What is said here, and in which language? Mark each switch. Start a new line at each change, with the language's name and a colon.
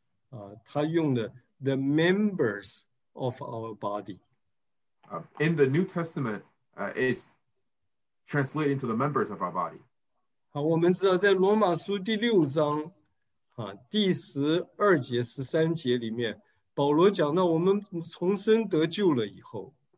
Chinese: 这个在新约圣经用的，他用的
English: the members of our body. In the New Testament, it's translated into the members of our body.
Chinese: 好，我们知道在罗马书第六章，第十二节十三节里面， 保罗讲到我们重生得救了以后。